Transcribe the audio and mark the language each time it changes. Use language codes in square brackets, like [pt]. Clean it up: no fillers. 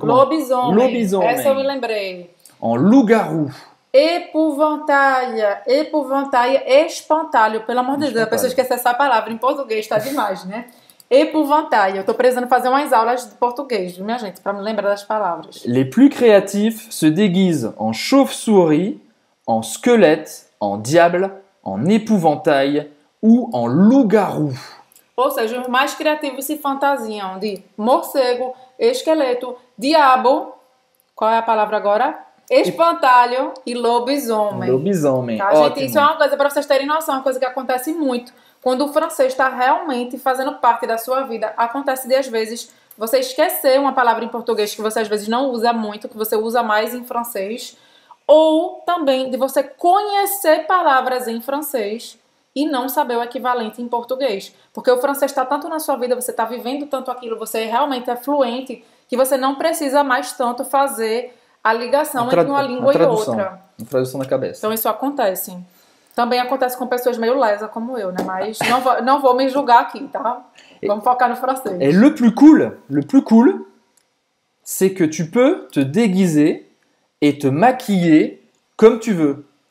[pt] Lobisomem. Lobisomem. Essa eu me lembrei. [fr] En loup-garou. Épouvantail. Épouvantail. Espantalho. [pt] Pelo amor de Deus, a pessoa esquece essa palavra em português. Tá demais, né? Épouvantail. Eu tô precisando fazer umas aulas de português, minha gente, pra me lembrar das palavras. [fr] Les plus créatifs se déguisent en chauve-souris, en squelette, en diable, en épouvantail ou en loup-garou. [pt] Ou seja, os mais criativos se fantasiam de morcego, esqueleto, diabo, qual é a palavra agora? Espantalho e lobisomem. Lobisomem, tá, gente? Isso é uma coisa, para vocês terem noção, uma coisa que acontece muito. Quando o francês está realmente fazendo parte da sua vida, acontece de, às vezes, você esquecer uma palavra em português que você, às vezes, não usa muito, que você usa mais em francês. Ou também de você conhecer palavras em francês e não saber o equivalente em português. Porque o francês está tanto na sua vida, você está vivendo tanto aquilo, você realmente é fluente, que você não precisa mais tanto fazer a ligação entre uma língua e outra. Uma tradução na cabeça. Então isso acontece. Também acontece com pessoas meio lesa como eu, né? Mas não vou me julgar aqui, tá? Vamos focar no francês. [fr] Et le plus cool, c'est que tu peux te déguiser et te maquiller comme tu veux.